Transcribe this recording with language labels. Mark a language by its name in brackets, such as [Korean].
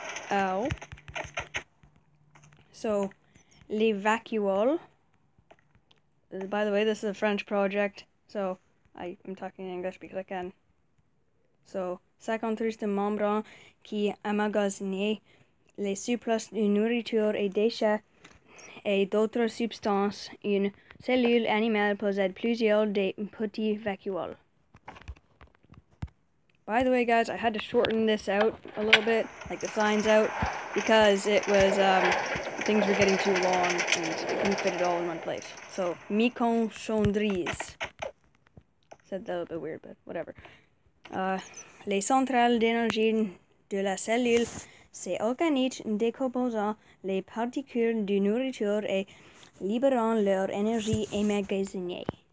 [French] Ow. So l'évacuole. [English] By the way, this is a French project, so I'm talking English because I can. [French] So, 53 membranes qui amalgament les surplus de nourriture et déchets et d'autres substances. Une cellule animale possède plusieurs des petits vacuoles. [English] By the way, guys, I had to shorten this out a little bit, like the signs out, because it was, things were getting too long and I couldn't fit it all in one place. So, mitochondries. Said that a little bit weird, but whatever. [French] Les centrales d'énergie de la cellule, ces organites décomposant les particules de nourriture et libérant leur énergie emmagasinée.